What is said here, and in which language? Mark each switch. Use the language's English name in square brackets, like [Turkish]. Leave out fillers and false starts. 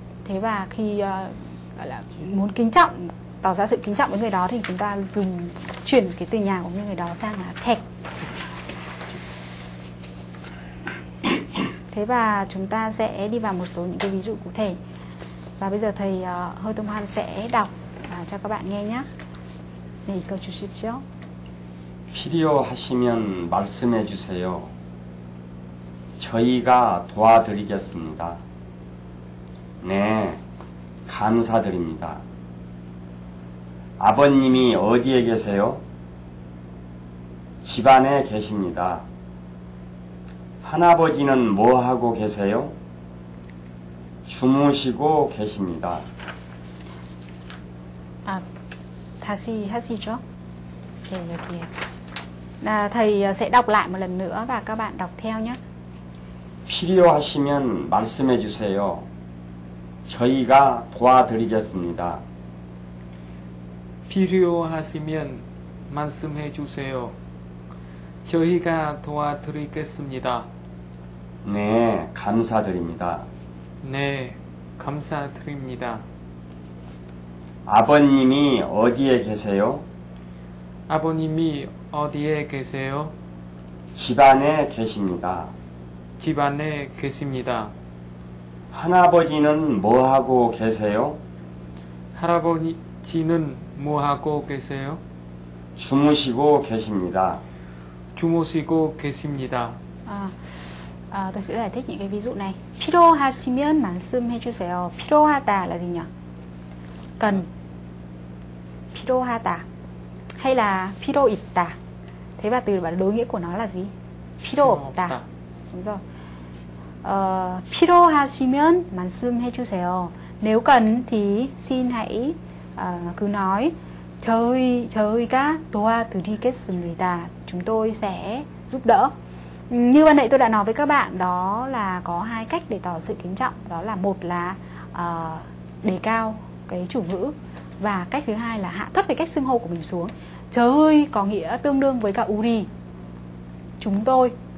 [Vietnamese] Thế và khi gọi là muốn kính trọng, tỏ ra sự kính trọng với người đó thì chúng ta dùng chuyển cái từ nhà của người đó sang là thẹt. Thế và chúng ta sẽ đi vào một số những cái ví dụ cụ thể. Và bây giờ thầy Hơ Tông Hoan sẽ đọc cho các bạn nghe nhé. [Korean] 네, 읽어 주십시오. 필요하시면 말씀해 주세요. 저희가 도와드리겠습니다. 네, 감사드립니다. 아버님이 어디에 계세요? 집 안에 계십니다. 할아버지는 뭐 하고 계세요? 주무시고 계십니다. 아, 다시 하시죠. 네, 여기에. [Vietnamese] 나 thầy sẽ đọc lại một lần nữa và các bạn đọc theo nhé. [Korean] 필요하시면 말씀해 주세요. 저희가 도와드리겠습니다. 필요하시면 말씀해 주세요. 저희가 도와드리겠습니다. 네, 감사드립니다. 네. 감사드립니다. 아버님이 어디에 계세요? 아버님이 어디에 계세요? 집안에 계십니다. 집안에 계십니다. 할아버지는 뭐하고 계세요? 할아버지는 뭐하고 계세요? 주무시고 계십니다. 주무시고 계십니다. [Vietnamese] tôi sẽ giải thích những cái ví dụ này. [Korean] 필요하시면 말씀해 주세요. [Vietnamese] 필요하다 là gì nhỉ? Cần. [Korean] 필요하다 [Vietnamese] hay là [Korean] 필요 있다. [Vietnamese] Thế và từ đối nghĩa của nó là gì? [Korean] 필요 없다. [Vietnamese] Đúng rồi. [Korean] 필요하시면 말씀해 주세요. [Vietnamese] Nếu cần thì xin hãy cứ nói. [Korean] 저희가 도와드리겠습니다. [Vietnamese] Chúng tôi sẽ giúp đỡ. Như ban nãy tôi đã nói với các bạn, đó là có hai cách để tỏ sự kính trọng. Đó là một là đề cao cái chủ ngữ, và cách thứ hai là hạ thấp cái cách xưng hô của mình xuống. Chơi có nghĩa tương đương với cả uri, chúng tôi.